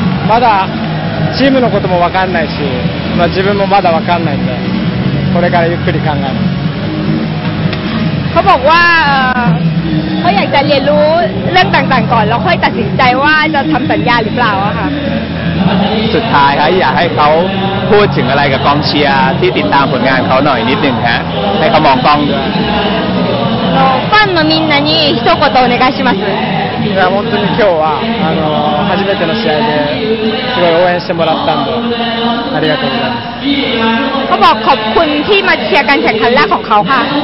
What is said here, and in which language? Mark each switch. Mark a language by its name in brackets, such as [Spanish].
[Japanese] まだチームのことも分かんないし、まあ、自分もまだ分かんないんで、これからゆっくり考えます。 [Thai] เขาบอกว่าเขาอยากจะเรียนรู้เรื่องต่างๆก่อนแล้วค่อยตัดสินใจว่าจะทำสัญญาหรือเปล่าค่ะ สุดท้ายครับอยากให้เขาพูดถึงอะไรกับกองเชียร์ที่ติดตามผลงานเขาหน่อยนิดนึงฮะให้เขามองกล้องด้วย [Japanese] ファンのみんなに一言お願いします。いや本当に今日は初めての試合ですごい応援してもらったんでありがとうございます。 [Thai] ขอบคุณที่มาเชียร์การแข่งขันแรกของเขาค่ะ。